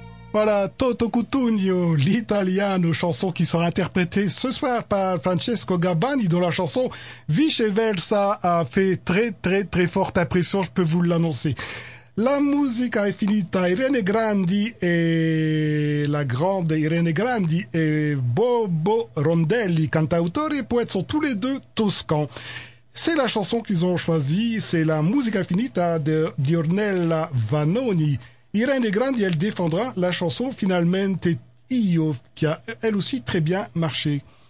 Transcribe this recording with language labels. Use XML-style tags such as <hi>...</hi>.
<fr>Voilà, Toto Cutugno, l'italiano, chanson qui sera interprétée ce soir par Francesco Gabbani, dont la chanson Viceversa a fait très très très forte impression, je peux vous l'annoncer.</fr> <it>La musica è finita, Irene Grandi e la grande Irene Grandi e Bobo Rondelli, cantautore e poeta, sono</it> <fr>tous les deux toscans. C'est la chanson qu'ils ont choisi, c'est la musica finita di Ornella Vanoni. Irene Grandi, elle défendra la chanson finalmente Io, qui a elle aussi très bien marché.</fr>